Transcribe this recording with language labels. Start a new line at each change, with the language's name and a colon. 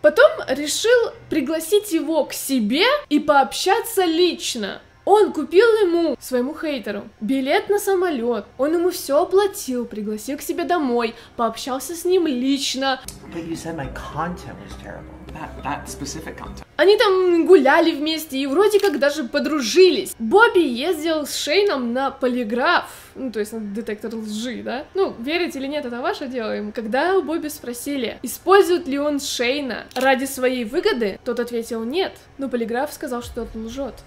Russian: Потом решил пригласить его к себе и пообщаться лично. Он купил ему, своему хейтеру, билет на самолет. Он ему все оплатил, пригласил к себе домой, пообщался с ним лично.
English: But you said my content was terrible. That specific content.
Russian: Они там гуляли вместе и вроде как даже подружились. Бобби ездил с Шейном на полиграф, ну то есть на детектор лжи, да? Ну, верить или нет, это ваше дело. Когда у Бобби спросили, использует ли он Шейна ради своей выгоды, тот ответил нет, но полиграф сказал, что тот лжет.